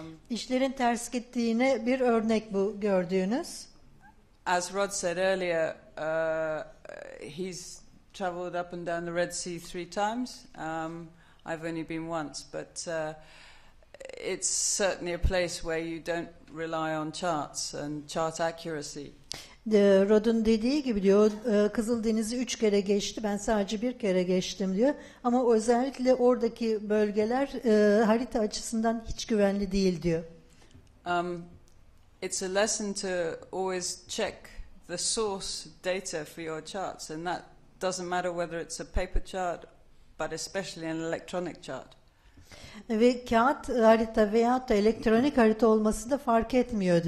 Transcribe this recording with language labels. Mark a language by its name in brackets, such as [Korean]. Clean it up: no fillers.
[Turkish] İşlerin ters gittiğine bir örnek bu gördüğünüz. [English] As Rod said earlier, he's traveled up and down the Red Sea 3 times. I've only been once, but it's certainly a place where you don't rely on charts and chart accuracy. [Turkish] Rod'un dediği gibi diyor, Kızıldeniz'i 3 kere geçti, ben sadece 1 kere geçtim diyor. Ama özellikle oradaki bölgeler harita açısından hiç güvenli değil diyor. [English] It's a lesson to always check the source data for your charts, and that doesn't matter whether it's a paper chart, but especially an electronic chart. [Turkish] Ve kağıt harita veyahut da elektronik harita olması da fark etmiyordu.